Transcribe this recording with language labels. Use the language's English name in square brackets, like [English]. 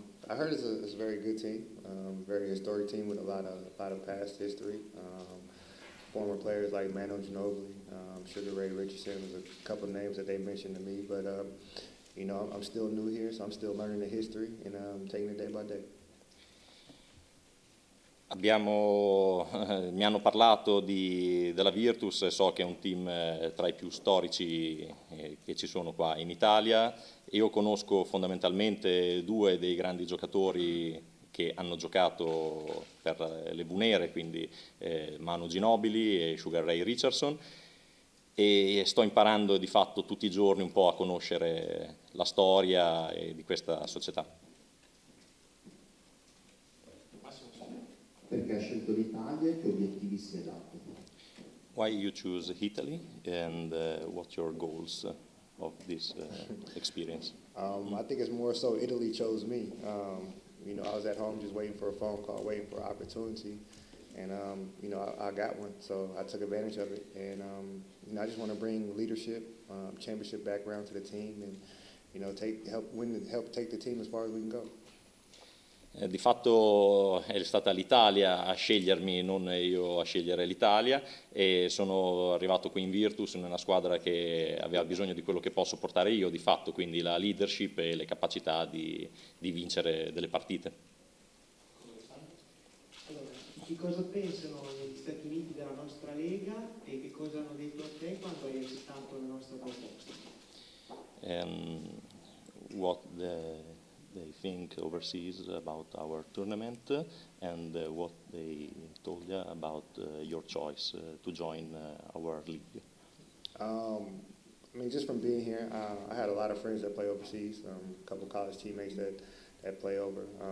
[English] I heard it's a very good team, very historic team with a lot of past history. Former players like Manu Ginobili, Sugar Ray Richardson, was a couple of names that they mentioned to me, but. You know, I'm still new here, so I'm still learning the history and taking it day by day. [Italian] Mi hanno parlato della Virtus, so che è un team tra i più storici che ci sono qua in Italia. Io conosco fondamentalmente due dei grandi giocatori che hanno giocato per le Bunere, quindi Manu Ginobili e Sugar Ray Richardson. E sto imparando di fatto tutti i giorni un po' a conoscere la storia di questa società. Perché ha scelto l'Italia e che obiettivi si è dato? [English] Why you choose Italy and what your goals of this experience? I think it's more so Italy chose me. You know, I was at home just waiting for a phone call, waiting for opportunity. And you know, I got one, so I took advantage of it. And you know, I just want to bring leadership, championship background to the team, and you know, help take the team as far as we can go. [Italian] Di fatto è stata l'Italia a scegliermi, non io a scegliere l'Italia, e sono arrivato qui in Virtus in una squadra che aveva bisogno di quello che posso portare io, di fatto, quindi la leadership e le capacità di vincere delle partite. Che cosa pensano gli Stati Uniti della nostra Lega e che cosa hanno detto a te quando hai accettato la nostra proposta? [English] What they think overseas about our tournament and what they told you about your choice to join our league? I mean, just from being here, I had a lot of friends that play overseas, a couple of college teammates that play over.